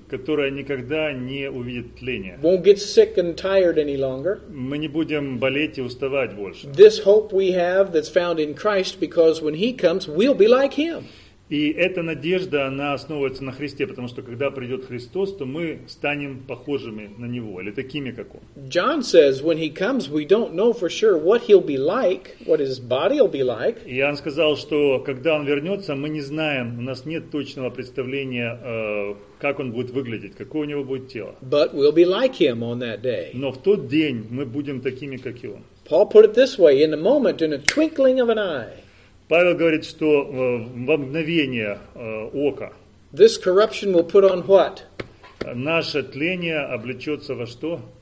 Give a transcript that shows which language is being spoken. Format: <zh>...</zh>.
<ru>Которое никогда не увидит тление.</ru> <en>Won't get sick and tired any longer.</en> <ru>Мы не будем болеть и уставать больше.</ru> <en>This hope we have that's found in Christ, because when He comes, we'll be like Him.</en> <ru>И эта надежда, она основывается на Христе, потому что когда придет Христос, то мы станем похожими на Него, или такими, как Он.</ru> <en>John says, when He comes, we don't know for sure what He'll be like, what His body will be like.</en> <ru>Иоанн сказал, что когда Он вернется, мы не знаем, у нас нет точного представления, как Он будет выглядеть, какое у Него будет тело.</ru> <en>But we'll be like Him on that day.</en> <ru>Но в тот день мы будем такими, как и Он.</ru> <en>Paul put it this way, in a moment, in a twinkling of an eye.</en> <ru>Павел говорит, что во мгновение ока.</ru> <en>This corruption will put on what?</en> <ru>Наше тление облечется во что?</ru>